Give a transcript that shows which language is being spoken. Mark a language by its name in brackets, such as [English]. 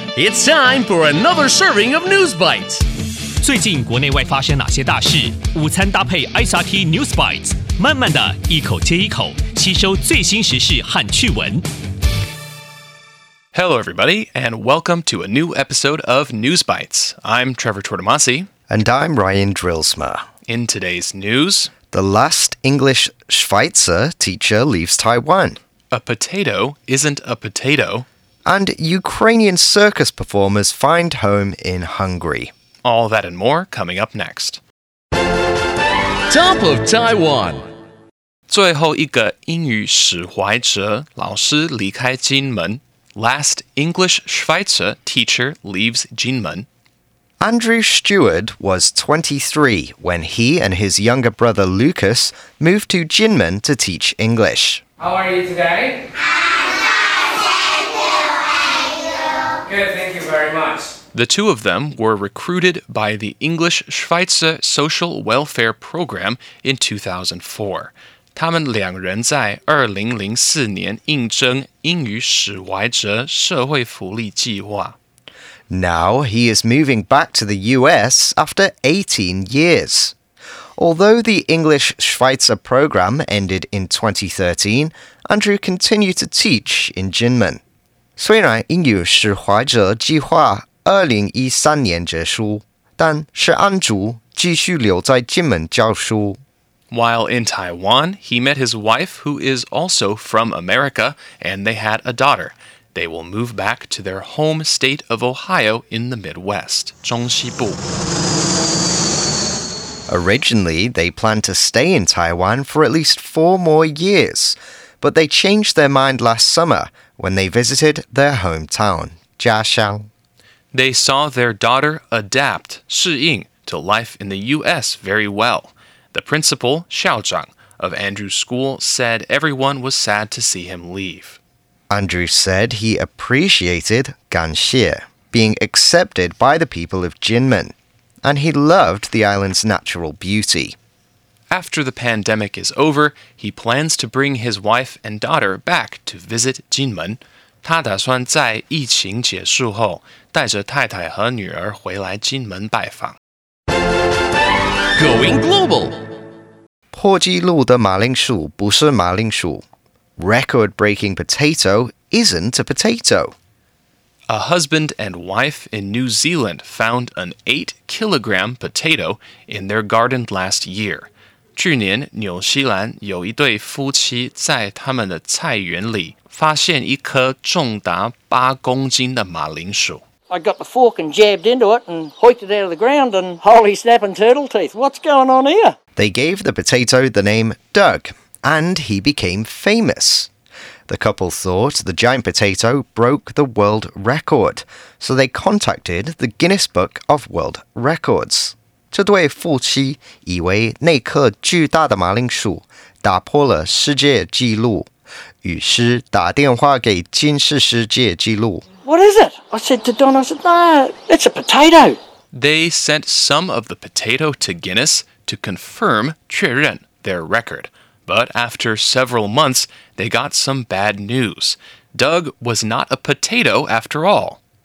[English] It's time for another serving of News Bites. [Chinese] 最近国内外发生哪些大事？午餐搭配 SRT News Bites， 慢慢的一口接一口，吸收最新时事和趣闻。 [English] Hello, everybody, and welcome to a new episode of News Bites. I'm Trevor Tortomasi. And I'm Ryan Drillsma. In today's news, the last English Schweitzer teacher leaves Taiwan. A potato isn't a potato. And Ukrainian circus performers find home in Hungary. All that and more coming up next. Top of Taiwan. [Chinese] 最后一个英语史怀哲老师离开金门。 [English] Last English Schweitzer teacher leaves Jinmen. Andrew Steward was 23 when he and his younger brother Lucas moved to Jinmen to teach English. How are you today? how are you? Good, thank you very much. The two of them were recruited by the English Schweitzer Social Welfare Program in 2004. [Chinese] 他们两人在2004年应征英语史怀哲社会福利计划。 [English] Now he is moving back to the US after 18 years. Although the English Schweitzer program ended in 2013, Andrew continued to teach in Jinmen. [Chinese] 虽然英语史怀哲计划2013年结束，但是安祖继续留在金门教书。 [English] While in Taiwan, he met his wife, who is also from America, and they had a daughter. They will move back to their home state of Ohio in the Midwest, 中西部. Originally, they planned to stay in Taiwan for at least 4 more years, but they changed their mind last summer when they visited their hometown, 家乡. They saw their daughter adapt, 适应, to life in the U.S. very well. The principal, 校长, of Andrew's school said everyone was sad to see him leave. Andrew said he appreciated 感谢, being accepted by the people of Jinmen, and he loved the island's natural beauty. After the pandemic is over, he plans to bring his wife and daughter back to visit Jinmen. [Chinese] 他打算在疫情结束后带着太太和女儿回来金门拜访。 [English] Going global. [Chinese] 破纪录的马铃薯不是马铃薯。 [English] Record-breaking potato isn't a potato. A husband and wife in New Zealand found an 8-kilogram potato in their garden last year. [Chinese] 去年纽西兰有一对夫妻在他们的菜园里发现一颗重达八公斤的马铃薯。 [English] I got the fork and jabbed into it and hoiked it out of the ground and holy snapping turtle teeth, what's going on here? They gave the potato the name Doug and he became famous. The couple thought the giant potato broke the world record, so they contacted the Guinness Book of World Records. [Chinese] 这对夫妻以为那颗巨大的马铃薯打破了世界纪录，于是打电话给金氏世界纪录。 [English] What is it? I said to Don, I said, no, it's a potato. They sent some of the potato to Guinness to confirm 确认, their record. But after several months, they got some bad news. Doug was not a potato after all.